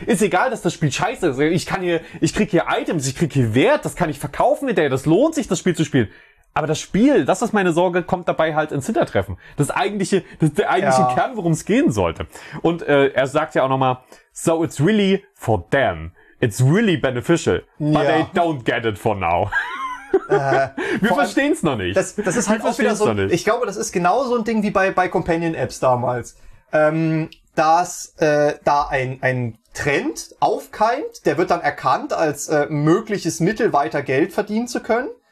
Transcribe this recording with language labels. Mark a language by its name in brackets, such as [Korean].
[German] Ist egal, dass das Spiel scheiße ist. Ich krieg hier Items, ich krieg hier Wert, das kann ich verkaufen hinterher, das lohnt sich, das Spiel zu spielen. Aber das Spiel, das ist meine Sorge, kommt dabei halt ins Hintertreffen. Das ist der eigentliche ja. Kern, worum es gehen sollte. Und er sagt ja auch nochmal, [English] so it's really for them. It's really beneficial. [German] Ja. [English] But they don't get it for now. [German] Wir verstehen es noch nicht. Das ist halt auch wieder so, ich glaube, das ist genau so ein Ding wie bei Companion-Apps damals. Dass da ein Trend aufkeimt, der wird dann erkannt als mögliches Mittel, weiter Geld verdienen zu können.